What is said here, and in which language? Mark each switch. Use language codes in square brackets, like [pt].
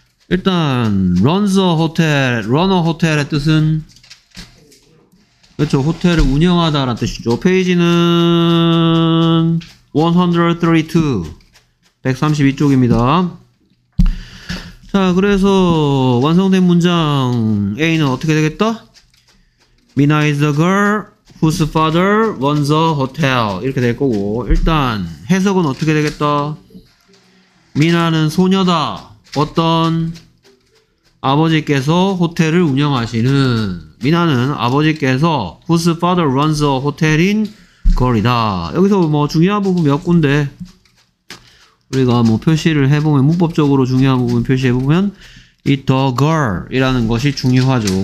[ko] 일단, runner 호텔의 뜻은? 그렇죠. 호텔을 운영하다라는 뜻이죠. 페이지는 132, 132쪽입니다. 자, 그래서 완성된 문장 A는 어떻게 되겠다? [en] Mina is the girl whose father runs a hotel. [ko] 이렇게 될 거고. 일단, 해석은 어떻게 되겠다? Mina는 소녀다. 어떤 아버지께서 호텔을 운영하시는 미나는 아버지께서 [en] whose father runs a hotel [ko] 인 걸이다. 여기서 뭐 중요한 부분 몇 군데 우리가 뭐 표시를 해보면 문법적으로 중요한 부분 표시해보면 이 the girl이라는 것이 중요하죠.